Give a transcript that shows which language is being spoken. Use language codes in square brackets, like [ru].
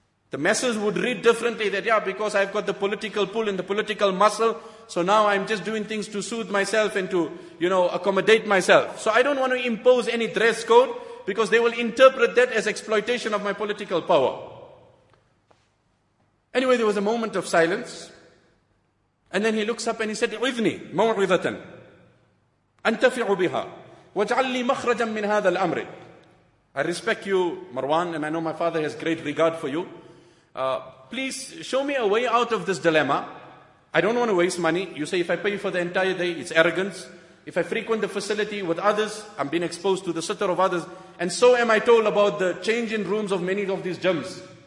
[en] The masses would read differently that, yeah, because I've got the political pull and the political muscle, so now I'm just doing things to soothe myself and to, you know, accommodate myself. So I don't want to impose any dress code, because they will interpret that as exploitation of my political power. Anyway, there was a moment of silence. [ar] And then he looks up and he said, اِذْنِي مَوْعِذَةً أَنْتَفِعُ بِهَا وَاجْعَلْ لِي مَخْرَجًا مِّنْ هَذَا الْأَمْرِ. [en] I respect you, Marwan, and I know my father has great regard for you. Please show me a way out of this dilemma. I don't want to waste money. You say if I pay for the entire day, it's arrogance. If I frequent the facility with others, I'm being exposed to the sitter of others. And so am I told about the changing rooms of many of these gyms.